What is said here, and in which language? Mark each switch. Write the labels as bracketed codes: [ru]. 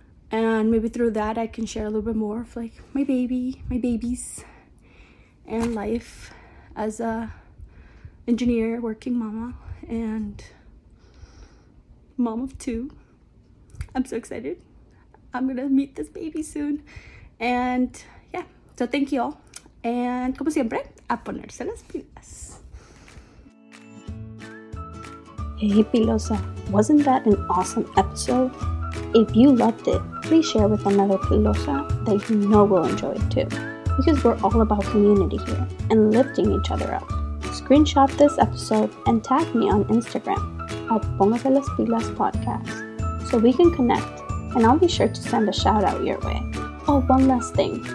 [en] And maybe through that I can share a little bit more of like my babies and life as a engineer, working mama, and mom of two. I'm so excited. I'm gonna meet this baby soon. And yeah, so thank you all. [es] And como siempre, a ponerse las pilas. [en] Hey, Pilosa, wasn't that an awesome episode? If you loved it, please share with another Pilosa that you know will enjoy it too. Because we're all about community here and lifting each other up. Screenshot this episode and tag me on Instagram at Póngase las Pilas Podcast so we can connect, and I'll be sure to send a shout out your way. Oh, one last thing.